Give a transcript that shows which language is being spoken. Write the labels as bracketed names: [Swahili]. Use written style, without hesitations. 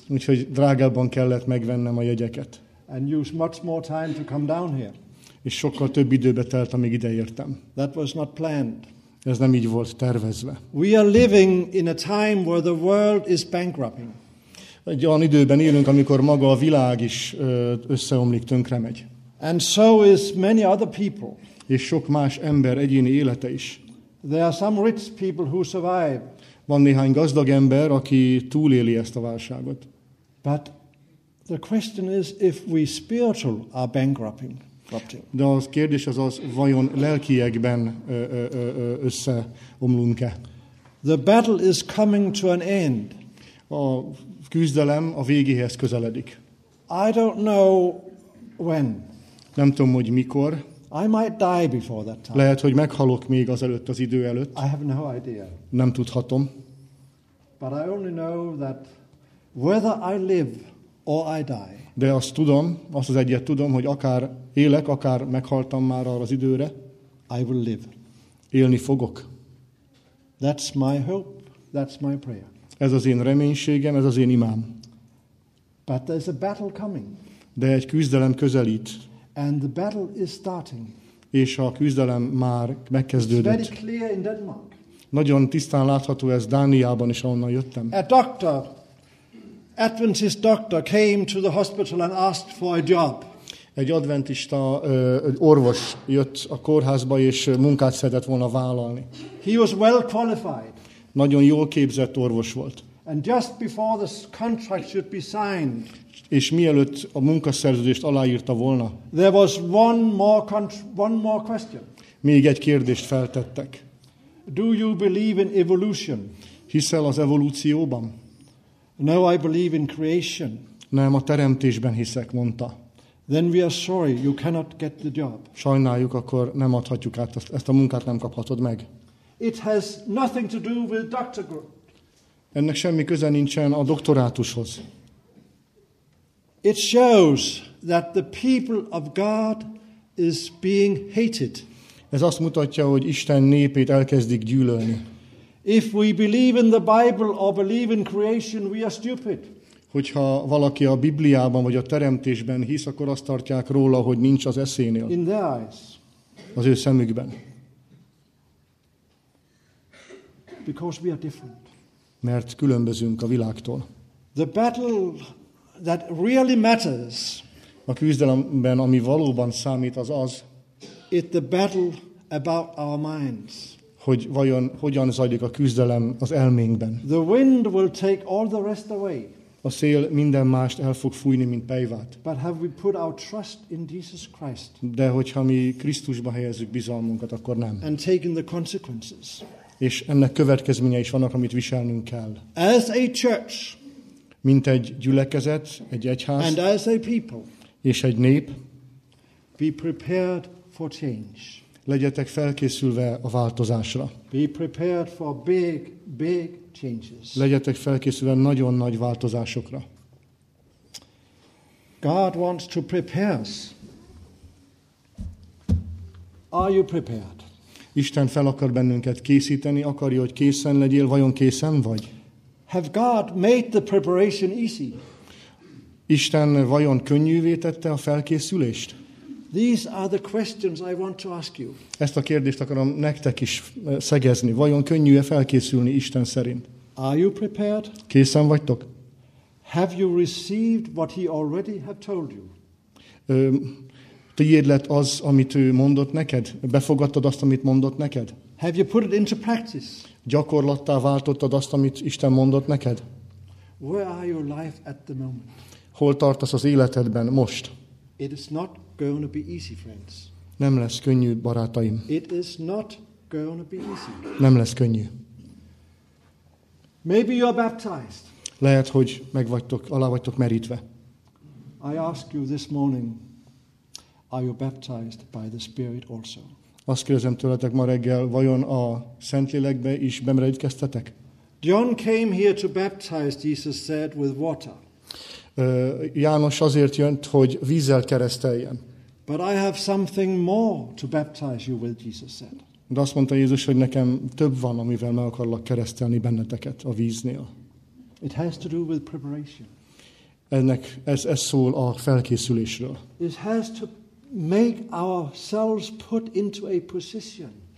[Hungarian] Úgyhogy drágábban kellett megvennem a jegyeket. [English] And use much more time to come down here. [Hungarian] És sokkal több időbe telt, amíg ide értem. [English] That was not planned. [Hungarian] Ez nem így volt tervezve. [English] We are living in a time where the world is bankrupting. [Hungarian] Egy olyan időben élünk, amikor maga a világ is összeomlik, tönkremegy. [English] And so is many other people. [Hungarian] És sok más ember egyéni élete is. [English] There are some rich people who survive. [Hungarian] Van néhány gazdag ember, aki túléli ezt a válságot. [English] But The question is if we spiritual are bankrupting. [Hungarian] De az kérdés az az, vajon lelkiekben összeomlunk-e? [English] The battle is coming to an end. [Hungarian] A küzdelem a végéhez közeledik. [English] I don't know when. [Hungarian] Nem tudom, hogy mikor. [English] I might die before that time. [Hungarian] Lehet, hogy meghalok még azelőtt az idő előtt. [English] I have no idea. [Hungarian] Nem tudhatom. [English] But I only know that whether I live or I die. [Hungarian] De azt tudom, azt az egyet tudom, hogy akár élek, akár meghaltam már arra az időre, [English] I will live. [Hungarian] Élni fogok. [English] That's my hope, that's my prayer. [Hungarian] Ez az én reménységem, ez az én imám. [English] But there's a battle coming. [Hungarian] De egy küzdelem közelít. [English] And the battle is starting. [Hungarian] És a küzdelem már megkezdődött. [English] It's very clear in Denmark. [Hungarian] Nagyon tisztán látható ez Dániában is, ahonnan jöttem. [English] A doctor, Adventist doctor came to the hospital and asked for a job. [Hungarian] Egy adventista orvos jött a kórházba és munkát szeretett volna vállalni. [English] He was well qualified. [Hungarian] Nagyon jól képzett orvos volt. [English] And just before the contract should be signed. [Hungarian] És mielőtt a munkaszerződést aláírta volna. [English] There was one more question. [Hungarian] Még egy kérdést feltettek. [English] Do you believe in evolution? [Hungarian] Hiszel az evolúcióban? [English] No, I believe in creation. [Hungarian] Nem, a teremtésben hiszek, mondta. [English] Then we are sorry, you cannot get the job. [Hungarian] Sajnáljuk, akkor nem adhatjuk át ezt a munkát, nem kaphatod meg. [English] It has nothing to do with doctorate. [Hungarian] Ennek semmi köze nincsen a doktorátushoz. [English] It shows that the people of God is being hated. [Hungarian] Ez azt mutatja, hogy Isten népét elkezdik gyűlölni. [English] If we believe in the Bible or believe in creation, we are stupid. [Hungarian] Hogyha valaki a Bibliában vagy a teremtésben hisz, akkor azt tartják róla, hogy nincs az eszénél. [English] In their eyes. [Hungarian] Az ő szemükben. [English] Because we are different. [Hungarian] Mert különbözünk a világtól. [English] The battle that really matters. [Hungarian] A küzdelemben, ami valóban számít, az az. [English] It's the battle about our minds. [Hungarian] Hogy vajon hogyan zajlik a küzdelem az elménkben. [English] The wind will take all the rest away. [Hungarian] A szél minden mást el fog fújni, mint pejvát. [English] But have we put our trust in Jesus Christ? [Hungarian] De hogyha mi Krisztusba helyezzük bizalmunkat, akkor nem. [English] And taking the consequences. [Hungarian] És ennek következménye is vannak, amit viselnünk kell. [English] As a church. [Hungarian] Mint egy gyülekezet, egy egyház. [English] And as a people. [Hungarian] És egy nép. [English] Be prepared for change. [Hungarian] Legyetek felkészülve a változásra. [English] Be prepared for big, big changes. [Hungarian] Legyetek felkészülve nagyon nagy változásokra. [English] God wants to prepare us. Are you prepared? [Hungarian] Isten fel akar bennünket készíteni, akarja, hogy készen legyél, vajon készen vagy? [English] Have God made the preparation easy? [Hungarian] Isten vajon könnyűvé tette a felkészülést? [English] These are the questions I want to ask you. [Hungarian] Ezt a kérdést akarom nektek is szegezni. Vajon könnyű-e felkészülni Isten szerint? [English] Are you prepared? [Hungarian] Készen vagytok? [English] Have you received what he already had told you? [Hungarian] Tiéd lett az, amit ő mondott neked? Befogadtad azt, amit mondott neked? [English] Have you put it into practice? [Hungarian] Gyakorlattá váltottad azt, amit Isten mondott neked? [English] Where are your life at the moment? [Hungarian] Hol tartasz az életedben most? [English] It is not going to be easy, friends. [Hungarian] Nem lesz könnyű, barátaim. [English] It is not going to be easy. [Hungarian] Nem lesz könnyű. [English] Maybe you are baptized. [Hungarian] Lehet, hogy megvagytok, alá vagytok merítve. [English] I ask you this morning, are you baptized by the Spirit also? [Hungarian] Azt kérdezem tőletek ma reggel, vajon a Szentlélekbe is bemerítkeztetek? [English] John came here to baptize, Jesus said, with water. [Hungarian] János azért jött, hogy vízzel kereszteljen. [English] But I have something more to baptize you with, Jesus said. [Hungarian] De azt mondta Jézus, hogy nekem több van, amivel meg akarlak keresztelni benneteket a víznél. [English] It has to do with preparation. [Hungarian] Ennek ez szól a felkészülésről. [English] It has to make ourselves put into a position.